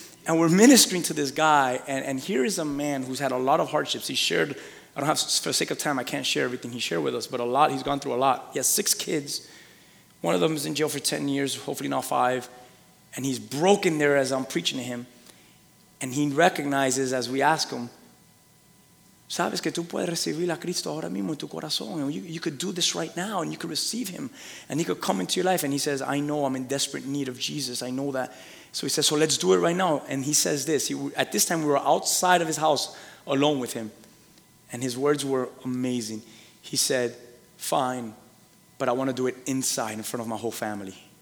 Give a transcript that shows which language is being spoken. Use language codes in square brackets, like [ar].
[en] And we're ministering to this guy and here is a man who's had a lot of hardships. He shared, I don't have, for sake of time, I can't share everything he shared with us, but a lot, he's gone through a lot. He has 6 kids. One of them is in jail for 10 years, hopefully not 5. And he's broken there as I'm preaching to him. And he recognizes as we ask him, [es] ¿sabes que tú puedes recibir a Cristo ahora mismo en tu corazón? [en] You could do this right now and you could receive him and he could come into your life. And he says, I know I'm in desperate need of Jesus. I know that. So he says, so let's do it right now. And he says this. At this time, we were outside of his house alone with him. And his words were amazing. He said, fine, but I want to do it inside in front of my whole family.